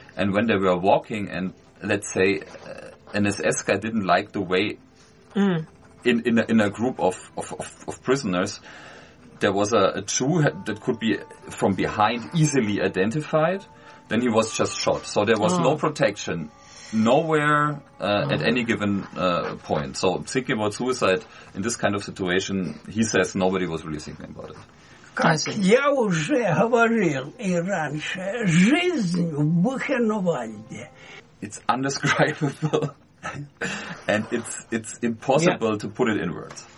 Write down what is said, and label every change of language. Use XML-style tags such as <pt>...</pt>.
<en>And when they were walking, and let's say an SS guy didn't like the way in a group of prisoners, there was a Jew that could be from behind easily identified, then he was just shot. So there was no protection nowhere at any given point. So thinking about suicide in this kind of situation, he says nobody was really thinking about it.</en> <ru>Как я уже говорил и раньше, жизнь в Бухенвальде.</ru> <en>It's undescribable, and it's impossible to put it in words.</en>